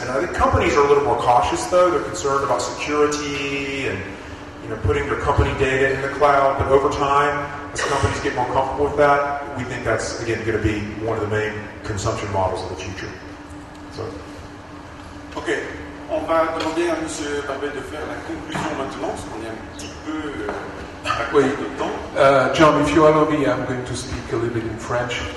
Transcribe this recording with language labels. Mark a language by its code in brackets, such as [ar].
[en] And I think companies are a little more cautious though. They're concerned about security and, putting their company data in the cloud. But over time, as companies get more comfortable with that, we think that's, again, gonna be one of the main consumption models of the future. So. [fr] Okay. On va demander à M. Barbet de faire la conclusion maintenant, parce qu'on est un petit peu à court de temps. [en] John, if you allow me, I'm going to speak a little bit in French.